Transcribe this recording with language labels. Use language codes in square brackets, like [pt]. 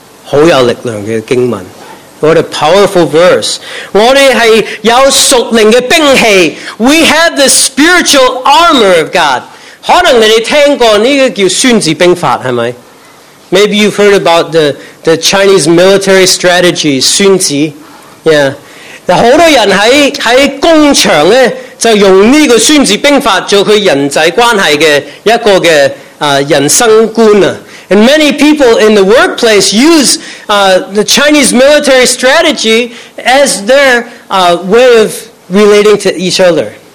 [yue] 很有力量的经文. [en] What a powerful verse. [yue] 我们是有属灵的兵器. [en] We have the spiritual armor of God. [yue] 可能你听过这个叫孙子兵法，是吗？ [en] Maybe you've heard about the Chinese military strategy, 孙子. Yeah. [yue] 很多人在工厂就用这个孙子兵法做他人际关系的一个人生观。 [en] And many people in the workplace use the Chinese military strategy as their way of relating to each other.